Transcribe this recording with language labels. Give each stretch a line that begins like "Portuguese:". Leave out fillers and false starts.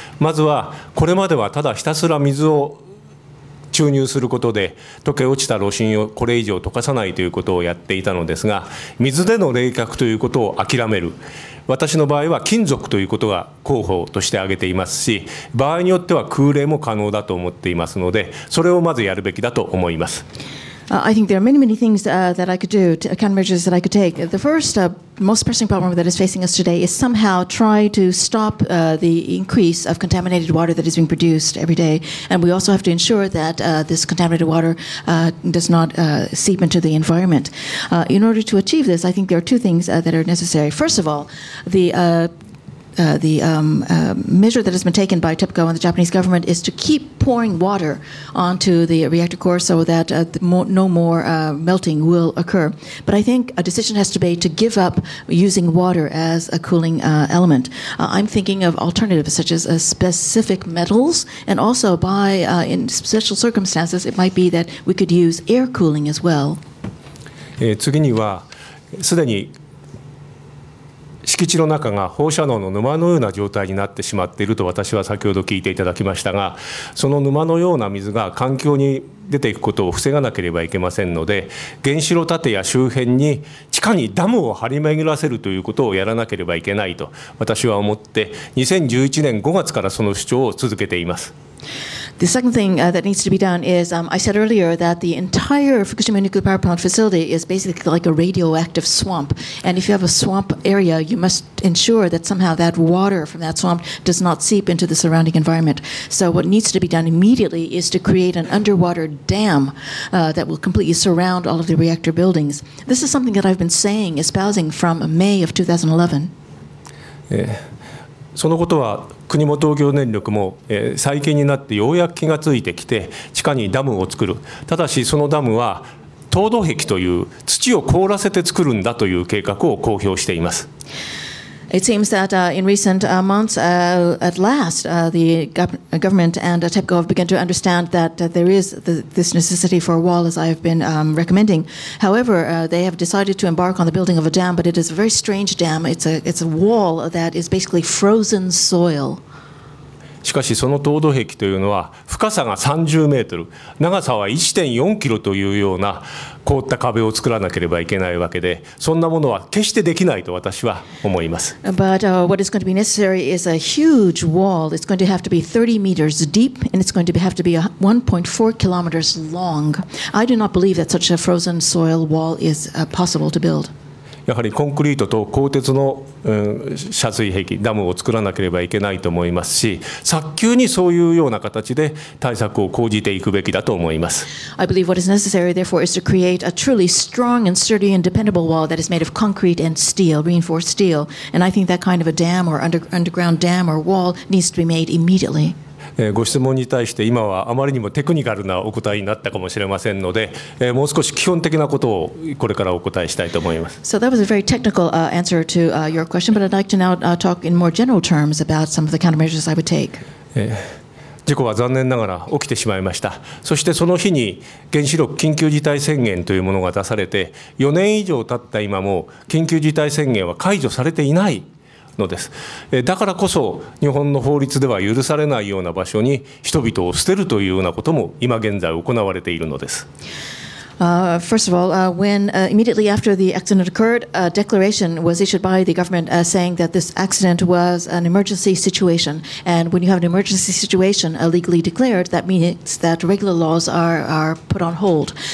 Japanese: まずはこれまではただひたすら水を注入することで溶け落ちた炉心をこれ以上溶かさないということをやっていたのですが、水での冷却ということを諦める。私の場合は金属ということが候補として挙げていますし、場合によっては空冷も可能だと思っていますので、それをまずやるべきだと思います。
English: I think there are many, many things that I could do, countermeasures that I could take. The first, most pressing problem that is facing us today is somehow try to stop the increase of contaminated water that is being produced every day. And we also have to ensure that this contaminated water does not seep into the environment. In order to achieve this, I think there are two things that are necessary. First of all, measure that has been taken by TEPCO and the Japanese government is to keep pouring water onto the reactor core so that no more melting will occur. But I think a decision has to be to give up using water as a cooling element. I'm thinking of alternatives such as specific metals, and also by in special circumstances, it might be that we could use air cooling as well.
Japanese: 次にはすでに敷地の中が放射能の沼のような状態になってしまっていると私は先ほど聞いていただきましたが、その沼のような水が環境に出ていくことを防がなければいけませんので、原子炉建屋周辺に地下にダムを張り巡らせるということをやらなければいけないと私は思って、2011年5月からその主張を続けています。
English: The second thing that needs to be done is, I said earlier that the entire Fukushima nuclear power plant facility is basically like a radioactive swamp. And if you have a swamp area, you must ensure that somehow that water from that swamp does not seep into the surrounding environment. So what needs to be done immediately is to create an underwater dam that will completely surround all of the reactor buildings. This is something that I've been saying, espousing from May of 2011.
Japanese: そのことは国も東京電力も再建になってようやく気がついてきて地下にダムを作る。ただしそのダムは凍土壁という土を凍らせて作るんだという計画を公表しています。
English: It seems that in recent months, at last, the government and TEPCO have begun to understand that there is this necessity for a wall, as I have been recommending. However, they have decided to embark on the building of a dam, but it is a very strange dam. It's a wall that is basically frozen soil.
Japanese: しかしその凍土壁というのは深さが30メートル、長さは 1.4 キロというような凍った壁を作らなければいけないわけで、そんなものは決してできないと私は思います。
English: But what is going to be necessary is a huge wall. It's going to have to be 30 meters deep and it's going to have to be 1.4 kilometers long. I do not believe that such a frozen soil wall is possible to build.
Japanese: やはりコンクリートと鋼鉄の、遮水壁ダムを作らなければいけないと思いますし、早急にそういうような形で対策を講じていくべきだと思います。
English: I believe what is necessary therefore is to create a truly strong and sturdy and dependable wall that is made of concrete and steel, reinforced steel, and I think that kind of a dam or underground dam or wall needs to be made immediately.
Japanese: ご質問に対して今はあまりにもテクニカルなお答えになったかもしれませんので、もう少し基本的なことをこれからお答えしたいと思います。
English: So that was a very technical answer to your question, but I'd like to now talk in more general terms about some of the countermeasures I would take.
Japanese: 事故は残念ながら起きてしまいました。そしてその日に原子力緊急事態宣言というものが出されて、4年以上経った今も緊急事態宣言は解除されていない。のです。だからこそ日本の法律では許されないような場所に人々を捨てるというようなことも今現在行われているのです。
English: First of all, when immediately after the accident occurred, a declaration was issued by the government saying that this accident was an emergency situation. And when you have an emergency situation legally declared, that means that regular laws are put on hold.